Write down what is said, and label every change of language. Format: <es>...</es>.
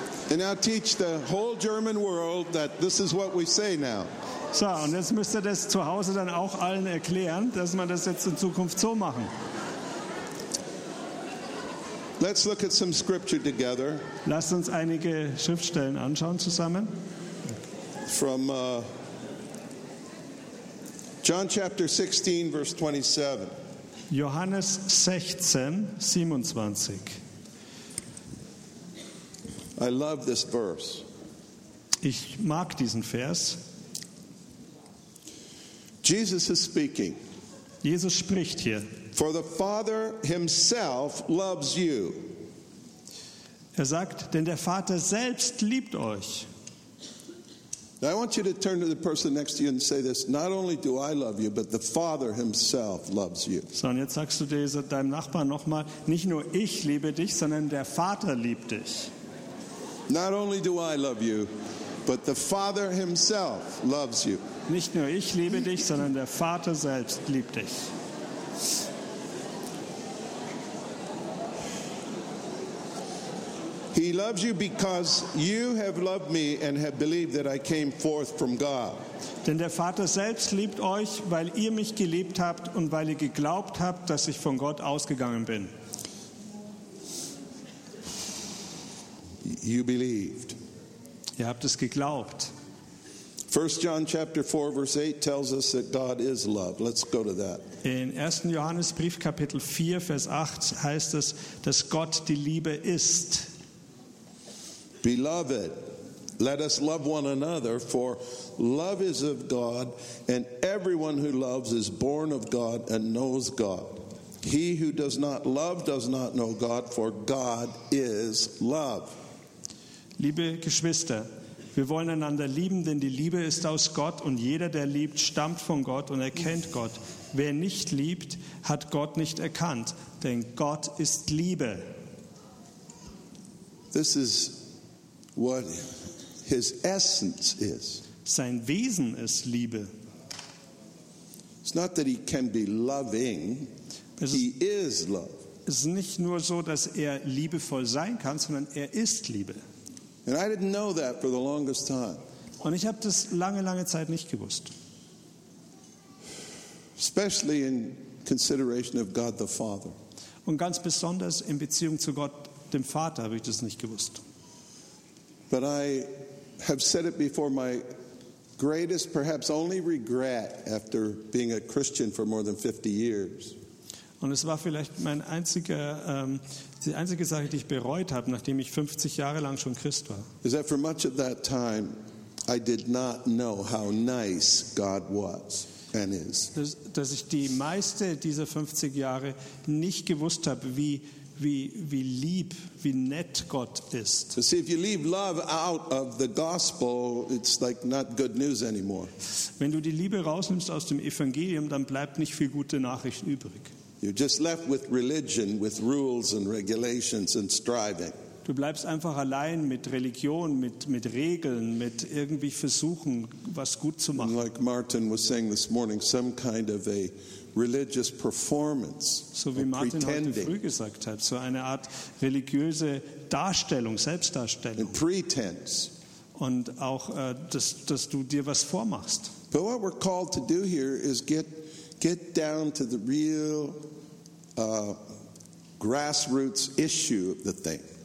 <en>And now teach the whole German world that this is what we say now.</en> <de>So, und jetzt müsst ihr das zu Hause dann auch allen erklären, dass man das jetzt in Zukunft so machen.</de> <en>Let's look at some scripture together.</en> <de>Lasst uns einige Schriftstellen anschauen zusammen.</de> <en>From John chapter 16, verse 27.</en> <de>Johannes 16, 27.</de> <en>I love this verse.</en> <de>Ich mag diesen Vers.</de> <en>Jesus is speaking.</en> <de>Jesus spricht hier.</de> <en>For the Father himself loves you.</en> <de>Er sagt, denn der Vater selbst liebt euch.</de> <en>Now I want you to turn to the person next to you and say this: Not only do I love you, but the Father himself loves you.</en> <de>So, und jetzt sagst du dieser, deinem Nachbarn nochmal: Nicht nur ich liebe dich, sondern der Vater liebt dich.</de> <en>Not only do I love you, but the Father himself loves you.</en> <de>Nicht nur ich liebe dich, sondern der Vater selbst liebt dich.</de> <en>He loves you because you have loved me and have believed that I came forth from God.</en> <de>Denn der Vater selbst liebt euch, weil ihr mich geliebt habt und weil ihr geglaubt habt, dass ich von Gott ausgegangen bin.</de> <en>You believed.</en> <de>Ihr habt es geglaubt.</de> <en>1 John chapter 4 verse 8 tells us that God is love. Let's go to that.</en> <de>In 1. Johannesbrief Kapitel 4 Vers 8 heißt es, dass Gott die Liebe ist.</de> <en>Beloved, let us love one another, for love is of God, and everyone who loves is born of God and knows God. He who does not love does not know God, for God is love.</en> <de>Liebe Geschwister, wir wollen einander lieben, denn die Liebe ist aus Gott, und jeder, der liebt, stammt von Gott und erkennt Gott. Wer nicht liebt, hat Gott nicht erkannt, denn Gott ist Liebe.</de> <en>This is what his essence is.</en> <de>Sein Wesen ist Liebe.</de> <en>It's not that he can be loving, he is love.</en> <de>Es ist nicht nur so, dass er liebevoll sein kann, sondern er ist Liebe.</de> <en>And I didn't know that for the longest time.</en> <de>Und ich habe das lange, lange Zeit nicht gewusst.</de> <en>Especially in consideration of God the Father.</en> <de>Und ganz besonders in Beziehung zu Gott dem Vater habe ich das nicht gewusst.</de> <en>But I have said it before, my greatest, perhaps only regret after being a Christian for more than 50 years.</en> <de>Und es war vielleicht mein einziger, die einzige Sache, die ich bereut habe, nachdem ich 50 Jahre lang schon Christ war.</de> <en>Is that for much of that time, I did not know how nice God was and is.</en> <de>Dass ich die meiste dieser 50 Jahre nicht gewusst habe, wie lieb, wie nett Gott ist.</de> <en>But see, if you leave love out of the gospel, it's like not good news anymore.</en> <de>Wenn du die Liebe rausnimmst aus dem Evangelium, dann bleibt nicht viel gute Nachricht übrig.</de> <en>You're just left with religion, with rules and regulations and striving.</en> <de>Du bleibst einfach allein mit Religion, mit Regeln, mit irgendwie versuchen, was gut zu machen.</de> <en>Like Martin was saying this morning, some kind of a religious performance.</en> <de>So wie Martin heute früh gesagt hat, so eine Art religiöse Darstellung, Selbstdarstellung.</de> <en>And pretense.</en> <de>Und auch dass du dir was vormachst.</de> <en>But what we're called to do here is get down to the real grassroots issue of the thing.</en>